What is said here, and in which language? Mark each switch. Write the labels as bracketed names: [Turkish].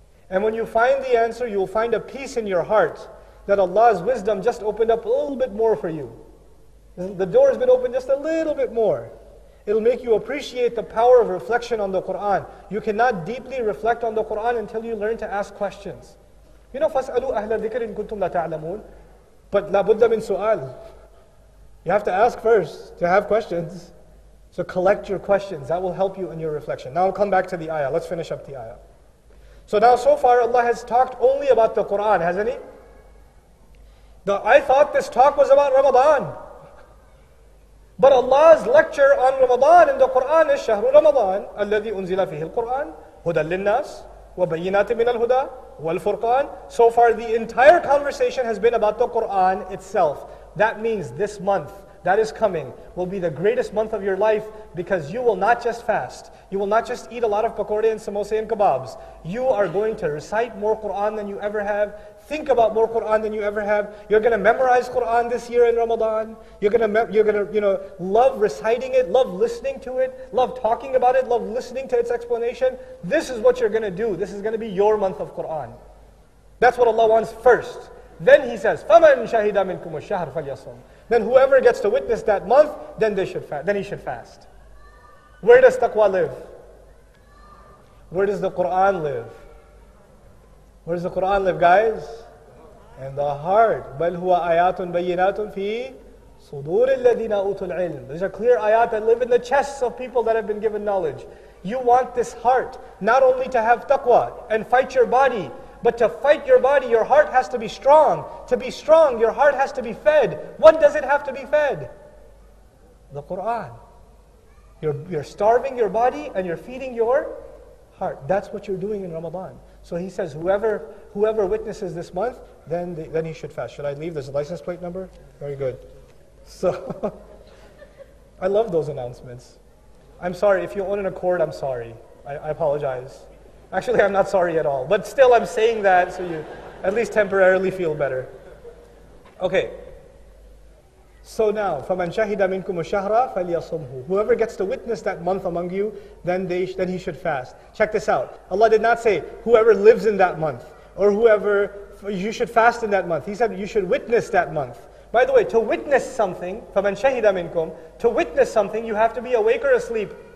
[English] And when you find the answer, you'll find a peace in your heart that Allah's wisdom just opened up a little bit more for you. The door has been opened just a little bit more. It'll make you appreciate the power of reflection on the Qur'an. You cannot deeply reflect on the Qur'an until you learn to ask questions. You know, [Arabic] فَاسْأَلُوا أَهْلَ ذِكْرٍ كُنْتُمْ لَا تَعْلَمُونَ. [English] But [Arabic] لَا بُدَّ مِنْ سُؤَالٍ. [English] You have to ask first to have questions. So collect your questions. That will help you in your reflection. Now I'll come back to the ayah. Let's finish up the ayah. So far, Allah has talked only about the Qur'an, hasn't He? I thought this talk was about Ramadan. But Allah's lecture on Ramadan in the Quran is [Arabic] شهر رمضان الذي أنزل فيه القرآن هدى للناس وبينات من الهدى والفرقان. [English] So far the entire conversation has been about the Quran itself. That means this month that is coming will be the greatest month of your life, because you will not just fast, you will not just eat a lot of pakoras and samosa and kebabs. You are going to recite more Quran than you ever have. Think about more Quran than you ever have. You're going to memorize Quran this year in Ramadan. You're going to love reciting it, love listening to it, love talking about it, love listening to its explanation. This is what you're going to do. This is going to be your month of Quran. That's what Allah wants first. Then He says, [Arabic] "فَمَنْ شَهِدَ مِنْكُمُ الشَّهْرَ فَلْيَصُمْ." [English] Then whoever gets to witness that month, then he should fast. Where does taqwa live? Where does the Quran live? Where does the Quran live, guys? In the heart. [Arabic] بَلْ هُوَ آيَاتٌ بَيِّنَاتٌ فِي صُدُورِ الَّذِينَ أُوتُوا الْعِلْمِ. [English] These are clear ayat that live in the chests of people that have been given knowledge. You want this heart, not only to have taqwa and fight your body, but to fight your body, your heart has to be strong. To be strong, your heart has to be fed. What does it have to be fed? The Quran. You're starving your body and you're feeding your heart. That's what you're doing in Ramadan. So He says, whoever witnesses this month, then he should fast. Should I leave? There's a license plate number? Very good. So, I love those announcements. I'm sorry, if you own an Accord, I'm sorry. I apologize. Actually, I'm not sorry at all. But still, I'm saying that so you at least temporarily feel better. Okay. So now, [Arabic] فَمَنْ شَهِدَ مِنْكُمُ الشَّهْرَ فَلْيَصُمْهُ. [English] Whoever gets to witness that month among you, then he should fast. Check this out. Allah did not say, whoever lives in that month, or whoever, you should fast in that month. He said, you should witness that month. By the way, to witness something, [Arabic] فَمَنْ شَهِدَ مِنْكُمْ, [English] to witness something, you have to be awake or asleep.